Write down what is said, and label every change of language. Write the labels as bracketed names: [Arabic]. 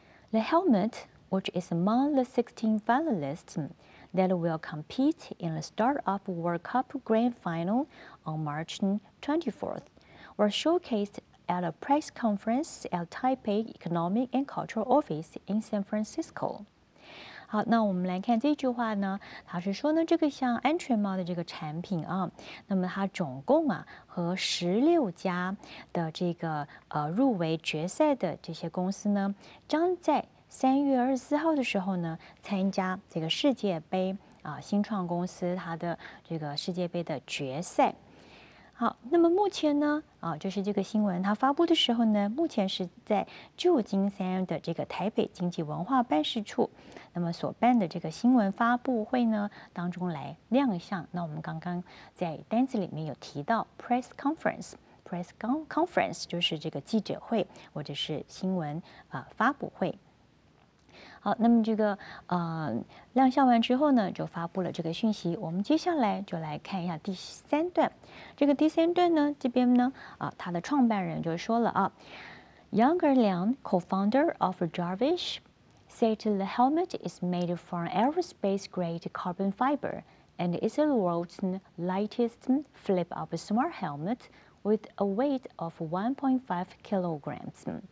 [English] The helmet, which is among the 16 finalists that will compete in the Startup World Cup Grand Final on March 24th, were showcased at a press conference at Taipei Economic and Cultural Office in San Francisco. [Chinese] 好，那我们来看这句话呢，它是说呢，这个像安全帽的这个产品啊，那么它总共啊和16家的这个入围决赛的这些公司呢，将在3月24号的时候呢参加这个世界杯啊，新创公司它的这个世界杯的决赛。好，那么目前呢啊，就是这个新闻它发布的时候呢，目前是在旧金山的这个台北经济文化办事处，那么所办的这个新闻发布会呢当中来亮相。那我们刚刚在单子里面有提到 press conference， press conference 就是这个记者会或者是新闻发布会。好，那么这个亮相完之后呢，就发布了这个讯息。我们接下来就来看一下第三段。这个第三段呢，这边呢他的创办人就说了啊 [English] ，Younger Liang, co-founder of Jarvis, said the helmet is made from aerospace-grade carbon fiber and is the world's lightest flip-up smart helmet with a weight of 1.5 kilograms.